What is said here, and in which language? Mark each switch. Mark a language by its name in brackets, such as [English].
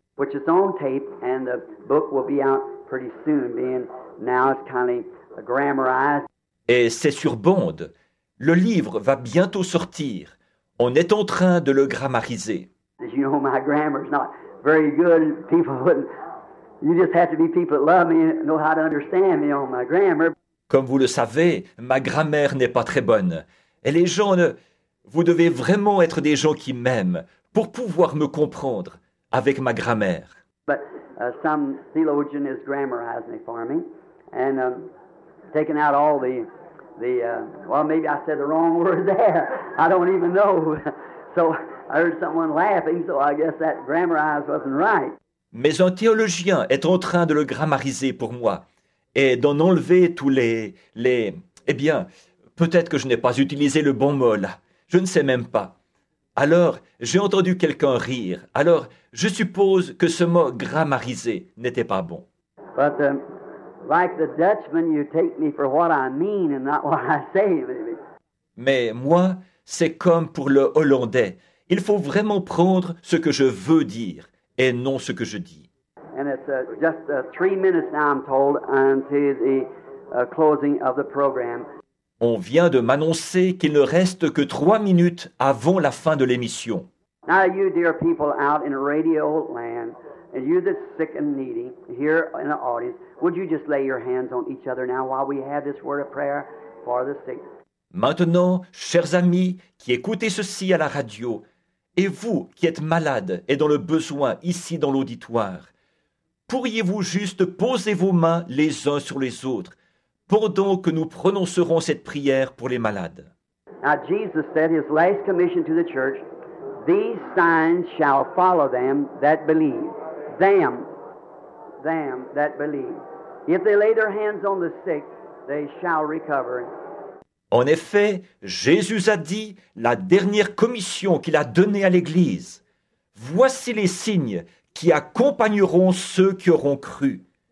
[English] Which is on tape and the book will be out pretty soon, being now it's kind of grammarized. [French] Et c'est sur bande. Le livre va bientôt sortir. On est en train de le grammariser. [English] As you know, my grammar's not very good. People wouldn't. You just have to be people that love me and know how to understand me on my grammar. [French] Comme vous le savez, ma grammaire n'est pas très bonne. Et les gens ne. Vous devez vraiment être des gens qui m'aiment pour pouvoir me comprendre avec ma grammaire. [English] But some theologian, his grammar has me for me, and taken out all well, maybe I said the wrong word there. I don't even know. So I heard someone laughing, so I guess that grammarized wasn't right. [French] Mais un théologien est en train de le grammariser pour moi et d'en enlever tous les... Eh bien, peut-être que je n'ai pas utilisé le bon mot là. Je ne sais même pas. Alors, j'ai entendu quelqu'un rire. Alors, je suppose que ce mot « grammarisé » n'était pas bon. [English] But, like the Dutchman, you take me for what I mean and not what I say. [French] Mais moi, c'est comme pour le Hollandais. Il faut vraiment prendre ce que je veux dire et non ce que je dis. [English] And it's just 3 minutes now, I'm told, until the closing of the program. [French] On vient de m'annoncer qu'il ne reste que 3 minutes avant la fin de l'émission. [English] Now you dear people out in radio land, and you that's sick and needy here in the audience, would you just lay your hands on each other now while we have this word of prayer for the sick? [French] Maintenant, chers amis qui écoutez ceci à la radio, et vous qui êtes malades et dans le besoin ici dans l'auditoire, pourriez-vous juste poser vos mains les uns sur les autres pendant que nous prononcerons cette prière pour les malades? [English] Now Jesus said his last commission to the church, these signs shall follow them that believe. Them that believe. If they lay their hands on the sick, they shall recover. [French] En effet, Jésus a dit la dernière commission qu'il a donnée à l'Église. Voici les signes qui accompagneront ceux qui auront cru.